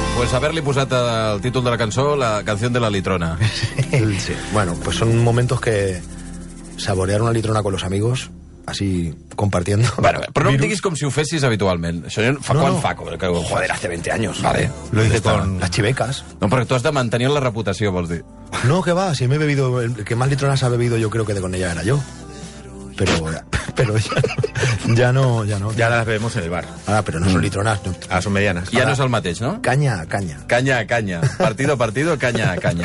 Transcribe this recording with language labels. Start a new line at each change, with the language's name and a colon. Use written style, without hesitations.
Catalan: Haber-li posat el títol de la cançó,
Spanish: la canción de la litrona. Sí. Bueno, pues son momentos que saborear una litrona con los amigos, así compartiendo.
Catalan: Bueno, però no em diguis com si ho fessis habitualment. Això fa quan fa?
Spanish: Joder, hace 20 años. Vale. Lo hice con las chivecas.
Catalan: No, però tu has de mantenir la reputació, vols dir.
Spanish: No, que va, si me he bebido... El que más litronas ha bebido yo creo que de con ella era yo. Pero ya no. Ya las bebemos en el bar. Ah, pero no son litronas. No. Ah, son medianas. Ya no es
Catalan: el mateix,
Spanish: ¿no? Caña a caña. Caña a caña. Partido a partido, caña a caña.